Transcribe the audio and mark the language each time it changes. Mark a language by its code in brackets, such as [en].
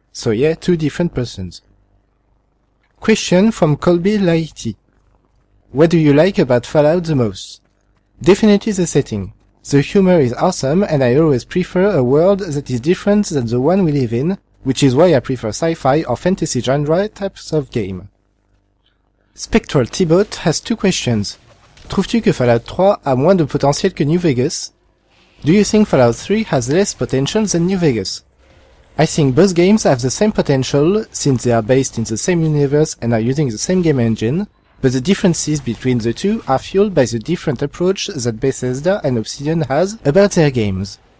[en] So yeah, two different persons. Question from Colby Lighty. What do you like about Fallout the most? Definitely the setting. The humor is awesome and I always prefer a world that is different than the one we live in, which is why I prefer sci-fi or fantasy genre types of game. Spectral Tibot has two questions. [fr] Trouves-tu que Fallout 3 a moins de potentiel que New Vegas? [en] Do you think Fallout 3 has less potential than New Vegas? I think both games have the same potential since they are based in the same universe and are using the same game engine, but the differences between the two are fueled by the different approach that Bethesda and Obsidian has about their games.